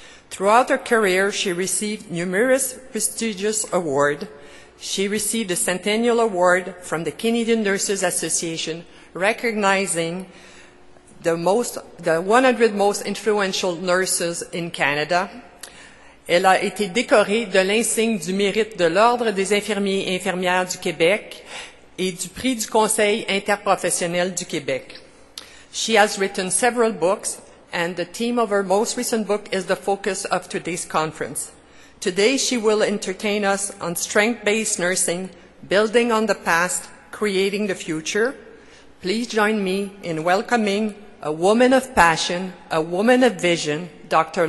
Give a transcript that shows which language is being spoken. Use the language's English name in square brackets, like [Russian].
[English] Throughout her career, she received numerous prestigious awards. She received a Centennial Award from the Canadian Nurses Association, recognizing the 100 most influential nurses in Canada. [French] Elle a été décorée de l'insigne du mérite de l'Ordre des infirmiers et infirmières du Québec et du prix du Conseil interprofessionnel du Québec. [English] She has written several books, and the theme of her most recent book is the focus of today's conference. Today, she will entertain us on strength-based nursing, building on the past, creating the future. Please join me in welcoming a woman of passion, a woman of vision, Dr.